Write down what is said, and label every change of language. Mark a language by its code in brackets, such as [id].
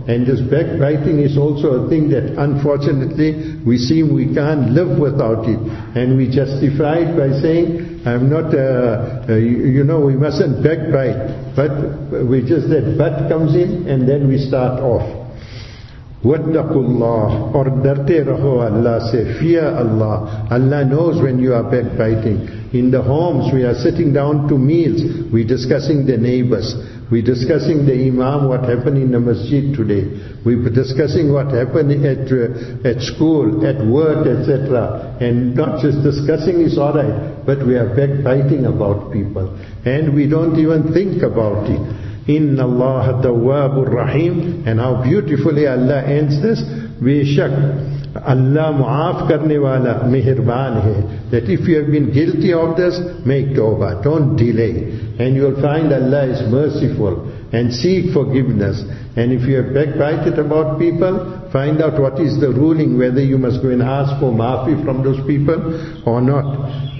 [en] And this backbiting is also a thing that unfortunately we seem we can't live without it. And we justify it by saying, I'm not, we mustn't backbite. But we just, that but comes in and then we start off. [ar] وَدَّقُ اللَّهُ [ur] اور ڈرتے رہو اللہ سے. [en] Fear Allah. Allah knows when you are backbiting. In the homes, we are sitting down to meals, we are discussing the neighbors, we are discussing the imam, what happened in the masjid today, we are discussing what happened at school, at work, etc. And not just discussing is alright, but we are backbiting about people. And we don't even think about it. [ar] إِنَّ اللَّهَ تَوَّابُ الرَّحِيمُ. [en] And how beautifully Allah ends this. [ur] بِشَكْ Allah معاف کرنے والا مہربان ہے. [en] That if you have been guilty of this, make tawbah, don't delay. And you will find Allah is merciful. And seek forgiveness. And if you have backbited about people, find out what is the ruling, whether you must go and ask for maafi from those people or not.